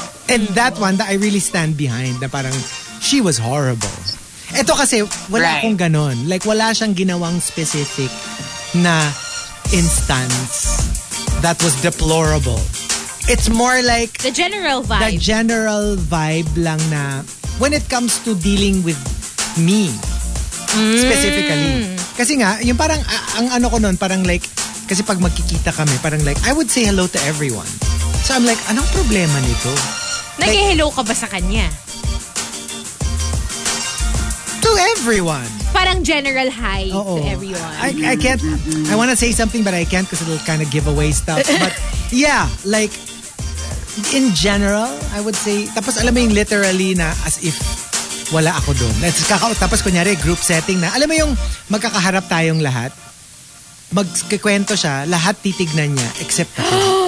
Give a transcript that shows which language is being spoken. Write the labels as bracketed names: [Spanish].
[English] And that one that I really stand behind, [Filipino] na parang, [English] she was horrible. [Filipino] Ito kasi, wala akong ganun. [English] Like, [Filipino] wala siyang ginawang [English] specific na instance that was deplorable. It's more like the general vibe. The general vibe [Filipino] lang na, [English] when it comes to dealing with me, specifically. [Filipino] Kasi nga, yung parang, ang ano ko nun, parang like, kasi pag magkikita kami, parang like, [English] I would say hello to everyone. So I'm like, [Filipino] anong problema nito? Nag-hello ka ba sa kanya? [English] To everyone. Parang general hi to everyone. I wanna say something but I can't because it'll kind of give away stuff. But yeah, like, in general, I would say, [Filipino] tapos alam mo yung literally na as if, wala ako doon. Tapos kunyari, group setting na. Alam mo yung magkakaharap tayong lahat? Magkikwento siya, lahat titignan niya, except ako.